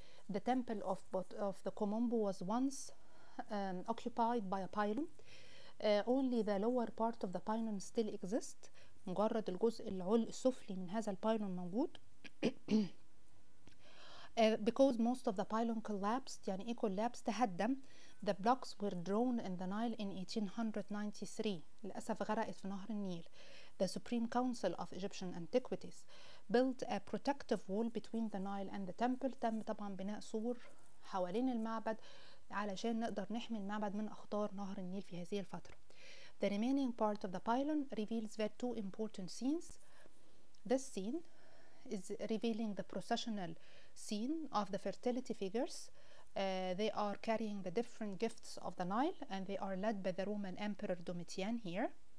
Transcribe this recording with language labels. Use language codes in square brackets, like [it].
[en] The temple of the Komombo was once occupied by a pylon. Only the lower part of the pylon still exists. [ar] مجرد الجزء العلوي السفلي من هذا البايلون موجود. [en] Because most of the pylon collapsed, [ar] يعني إيه collapsed؟ تهدم. [en] The blocks were drawn in the Nile in 1893. [ar] للأسف غرقت في نهر النيل. [en] The Supreme Council of Egyptian Antiquities built a protective wall between the Nile and the temple. [ar] تم طبعا بناء سور حوالين المعبد علشان نقدر نحمي المعبد من أخطار نهر النيل في هذه الفترة. [en] The remaining part of the pylon reveals that two important scenes. This scene is revealing the processional scene of the fertility figures. They are carrying the different gifts of the Nile and they are led by the Roman Emperor Domitian here.